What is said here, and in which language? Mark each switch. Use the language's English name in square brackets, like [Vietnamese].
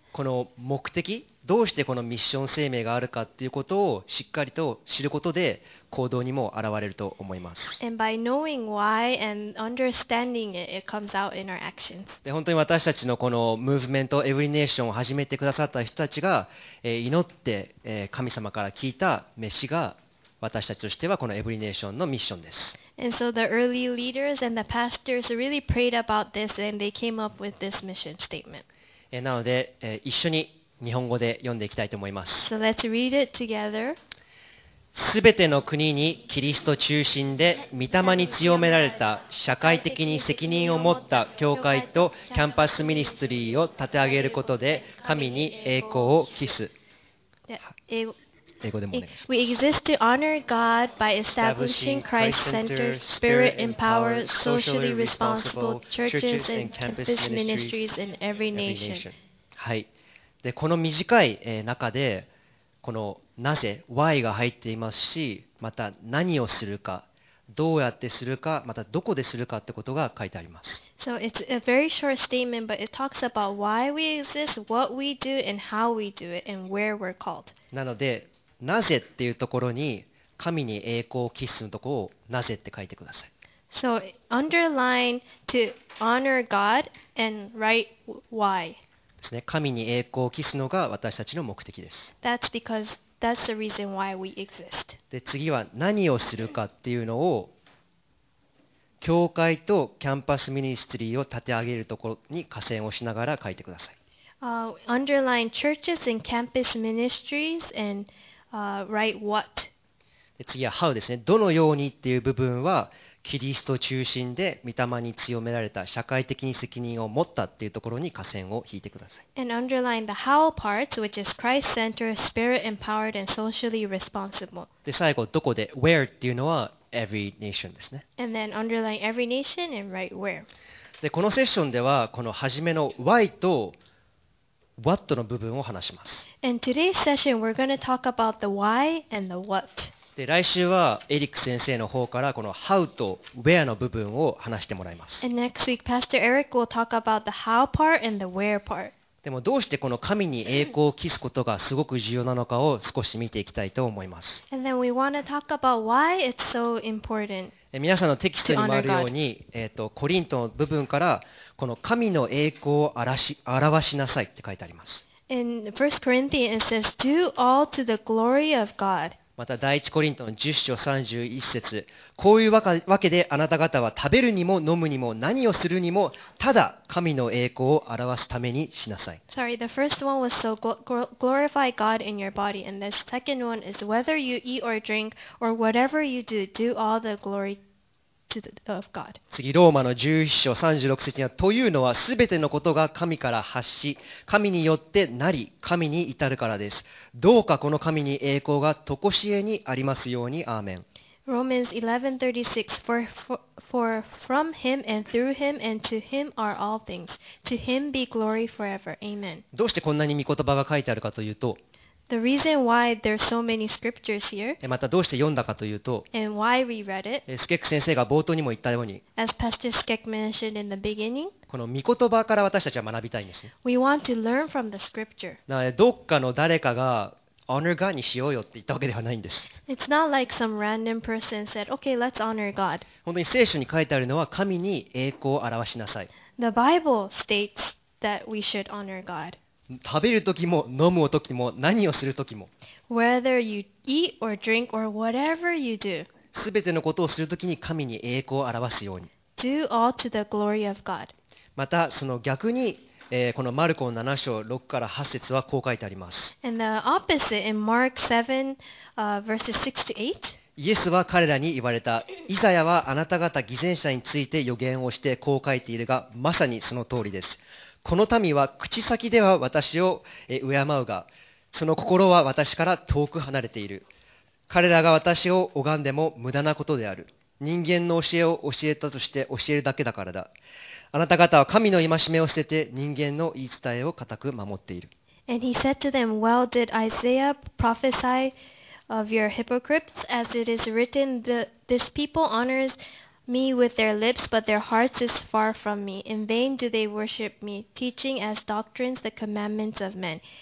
[Japanese] この目的、どうしてこのミッション声明があるかっていうことをしっかりと知ることで行動にも現れると思います。 [English] And by knowing why and understanding it, it comes out in our actions. [Japanese] で本当に私たちのこのムーブメントエブリネーションを始めてくださった人たちが、祈って、神様から聞いた召しが私たちとしてはこのエブリネーションのミッションです。 [English] And so the early leaders and the pastors really prayed about this and they came up with this mission statement. [Japanese] なので、一緒に日本語で読んでいきたいと思います。 [English] So let's read it together. [Japanese] 全ての国にキリスト中心で御霊に強められた社会的に責任を持った教会とキャンパスミニストリーを立て上げることで神に栄光を期す。 [English] We exist to honor God by establishing Christ-centered, Spirit-empowered, socially responsible churches and campus ministries in every nation. [Japanese] はい、でこの短い中でこのなぜ、why が入っていますし、また何をするか、どうやってするか、またどこでするかってことが書いてあります。 [English] So it's a very short statement, but it talks about why we exist, what we do, and how we do it, and where we're called. [Japanese] なのでなぜっていうところに神に栄光を期すのところをなぜって書いてください。 [English] So underline to honor God and write why. [Japanese] 神に栄光を期すのが私たちの目的です。 [English] That's because that's the reason why we exist. [Japanese] で次は何をするかっていうのを教会とキャンパスミニストリーを立て上げるところに下線をしながら書いてください。 [English] Underline churches and campus ministries and write what. [Japanese] で次は how ですね。どのようにっていう部分はキリスト中心で御霊に強められた社会的に責任を持ったっていうところに下線を引いてください。 [English] And underline the how parts, which is Christ-centered, Spirit-empowered, and socially responsible. [Japanese] で最後どこで where っていうのはevery nation ですね。 [English] And then underline every nation and write where. [Japanese] で、このセッションではこの初めの why と what の部分を話します。 [English] And today's session we're going to talk about the why and the what. [Japanese] で来週はエリック先生の方からこの how と where の部分を話してもらいます。 [English] And next week, Pastor Eric will talk about the how part and the where part. [Japanese] でもどうしてこの神に栄光を期すことがすごく重要なのかを少し見ていきたいと思います。 [English] And then we want to talk about why it's so important. [Japanese] 皆さんのテキストにもあるように、コリントの部分からこの神の栄光を表しなさいって書いてあります。 [English] In 1 Corinthians it says, do all to the glory of God. [Japanese] また第一コリントの10章31節こういうわけであなた方は食べるにも飲むにも何をするにもただ神の栄光を表すためにしなさい。 [English] Sorry, the first one was so glorify God in your body, and the second one is whether you eat or drink or whatever you do, do all the glory to the, of God. [Japanese] 次ローマの11章36節にはというのはすべてのことが神から発し、神によってなり、神に至るからです。どうかこの神に栄光がとこしえにありますように。アーメン。 [English] Romans 11:36 for from him and through him and to him are all things. To him be glory forever. Amen. [Japanese] どうしてこんなに御言葉が書いてあるかというと、 [English] The reason why there's so many scriptures here, [Japanese] またどうして読んだかというと、 [English] and why we read it, [Japanese] スケック先生が冒頭にも言ったように、 [English] as Pastor Skek mentioned in the beginning, [Japanese] この御言葉から私たちは学びたいんですね。 [English] We want to learn from the scripture. [Japanese] なので、どっかの誰かが [English] honor God [Japanese] にしようよって言ったわけではないんです。 [English] It's not like some random person said, okay, let's honor God. [Japanese] 本当に聖書に書いてあるのは神に栄光を表しなさい。 [English] The Bible states that we should honor God. [Japanese] 食べるときも飲むときも何をするときも [English] Whether you eat or drink or whatever you do, [Japanese] 全てのことをするときに神に栄光を表すように [English] Do all to the glory of God. [Japanese] またその逆に、このマルコ7章6から8節はこう書いてあります [English] And the opposite in Mark 7, verses 6 to 8 [Japanese] イエスは彼らに言われた。イザヤはあなた方偽善者について予言をしてこう書いているが、まさにその通りです。この民は口先では私を敬うが、その心は私から遠く離れている。彼らが私を拝んでも無駄なことである。人間の教えを教えたとして教えるだけだからだ。あなた方は神の戒めを捨てて人間の言い伝えを固く守っている。 [English] And he said to them, Well, did Isaiah prophesy? Of your hypocrites, as it is written, this people honors me with their lips, but their hearts is far from me. In vain do they worship me, teaching as doctrines the commandments of men.